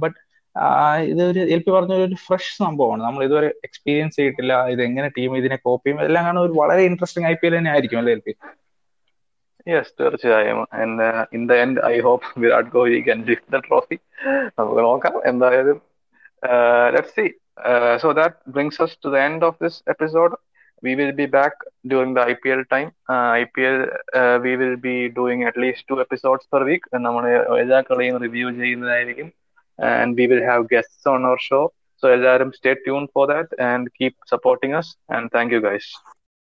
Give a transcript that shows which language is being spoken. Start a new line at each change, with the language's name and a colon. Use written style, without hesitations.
Malayalam: But ഇത് ഒരു L P പറഞ്ഞ ഒരു ഫ്രഷ് സംഭവമാണ്, നമ്മൾ ഇതുവരെ എക്സ്പീരിയൻസ് ചെയ്തിട്ടില്ല. ഇത് എങ്ങനെ ടീം ഇതിനെ കോപ്പ് ചെയ്യും എല്ലാം കാണുന്ന ഒരു വളരെ ഇൻട്രസ്റ്റിംഗ് ഐ പി എൽ തന്നെ ആയിരിക്കും അല്ലെ എൽ പി? യെസ്, തീർച്ചയായും.
English: In the end I hope Virat Kohli can lift the trophy.
Malayalam: നമുക്ക് നോക്കാം എന്തായാലും.
English: Let's see. So that brings us to the end of this episode. We will be back during the IPL time. IPL, we will be doing at least 2 episodes per week.
Malayalam: നമ്മുടെ എല്ലാ കളിയും review ചെയ്യുന്നതായിരിക്കും.
English: And we will have guests on our show. So, everyone, stay tuned for that and keep supporting us. And thank you, guys.